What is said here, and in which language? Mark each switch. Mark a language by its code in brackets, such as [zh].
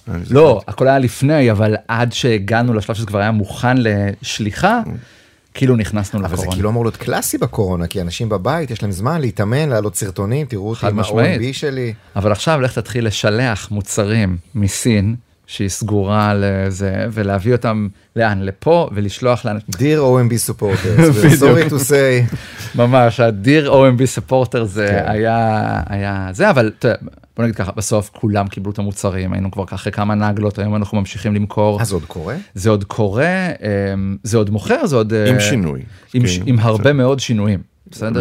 [he] לא, הכל היה לפני, אבל עד שהגענו לשלב שזה כבר היה מוכן לשליחה, כאילו נכנסנו לקורונה. אבל זה כאילו אמור להיות קלאסי בקורונה, כי אנשים בבית, יש להם זמן להתאמן, לעלות סרטונים, תראו אותי עם ה-OMB שלי. אבל עכשיו לך תתחיל לשלח מוצרים מסין, שהיא סגורה לזה, ולהביא אותם לאן? לפה, ולשלוח לאנשים. [en] Dear OMB supporters, sorry to say. [he] ממש, ה- [en] Dear OMB supporters [he] זה היה זה, אבל בוא נגיד ככה, בסוף כולם קיבלו את המוצרים, היינו כבר ככה כמה נגלות, היום אנחנו ממשיכים למכור. אז זה עוד קורה? זה עוד קורה, זה עוד מוכר, זה עוד... עם שינוי. עם הרבה מאוד שינויים, בסדר?